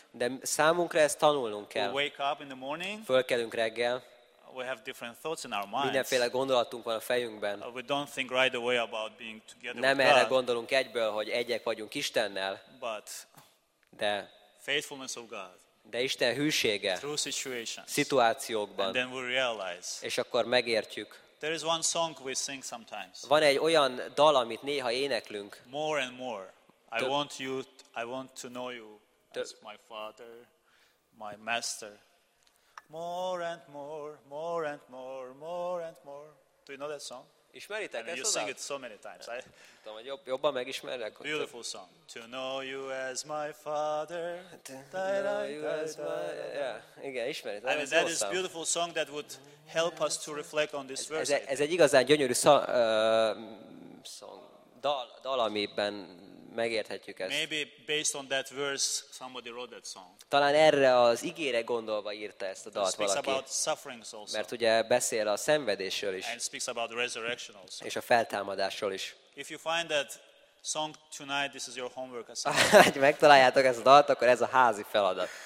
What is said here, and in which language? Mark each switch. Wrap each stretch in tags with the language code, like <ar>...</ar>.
<hu>De számunkra ezt tanulnunk kell.</hu> <en>We wake up in the morning.</en> <hu>Fölkelünk reggel.</hu> <en>We have different thoughts in our minds.</en> <hu>Mindenféle gondolatunk van a fejünkben.</hu> <en>We don't think right away about being together.</en> <hu>Nem erre gondolunk egyből, hogy egyek vagyunk Istennel.</hu> <en>But</en> <hu>de</hu> <en>faithfulness of God.</en> <hu>De Isten hűsége.</hu> <en>Through situations.</en> <hu>Szituációkban.</hu> <en>And then we realize.</en> <hu>És akkor megértjük.</hu> <en>There is one song we sing sometimes.</en> <hu>Van egy olyan dal, amit néha éneklünk.</hu> <en>More and more. I want to know you as my father, my master. More and more, more and more, more and more. Do you know that song?</en> <hu>Ismeritek ezt?</hu> <en>You sing it so many times.</en> <hu>Tudom, hogy jobban megismerlek.</hu> <en>Beautiful song. To know you as my father. To know you as my...</en> <hu>Igen, ismeritek.</hu> <en>I mean, that is a beautiful song that would help us to reflect on this verse.</en> <hu>Ez egy igazán gyönyörű song. Dal, amiben megérthetjük ezt.</hu> <en>Maybe based on that verse somebody wrote that song.</en> <hu>Talán erre az igére gondolva írta ezt a dalt valaki.</hu> <en>It speaks about suffering also.</en> <hu>Mert ugye beszél a szenvedésről is.</hu> <en>And speaks about resurrection also.</en> <hu>És a feltámadásról is.</hu> <en>If you find that song tonight, this is your homework assignment.</en> <hu>Ha megtaláljátok ezt a dalt, akkor ez a házi feladat.</hu>